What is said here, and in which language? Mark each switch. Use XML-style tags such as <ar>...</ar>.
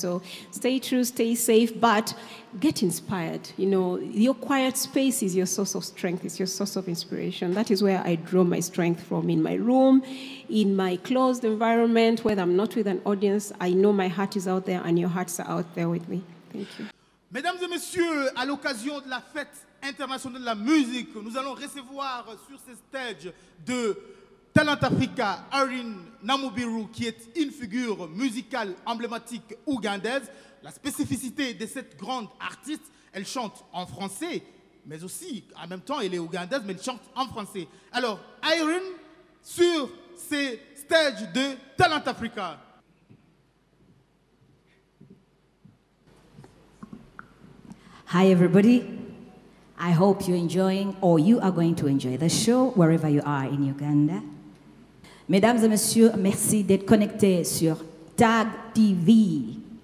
<en>So stay true, stay safe, but get inspired. You know, your quiet space is your source of strength, it's your source of inspiration. That is where I draw my strength from, in my room, in my closed environment, whether I'm not with an audience. I know my heart is out there, and your hearts are out there with me. Thank you.</en> <fr>Mesdames et messieurs, à l'occasion de la Fête internationale de la musique, nous allons recevoir sur ce stage de Talent Africa Iryn Namubiru, qui est une figure musicale emblématique ougandaise. La spécificité de cette grande artiste, elle chante en français, mais aussi, en même temps, elle est ougandaise, mais elle chante en français. Alors, Iryn, sur ce stage de Talent Africa.</fr> <en>Hi, everybody. I hope you're enjoying, or you are going to enjoy the show wherever you are in Uganda.</en> <fr>Mesdames et messieurs, merci d'être connectés sur Tag TV.</fr>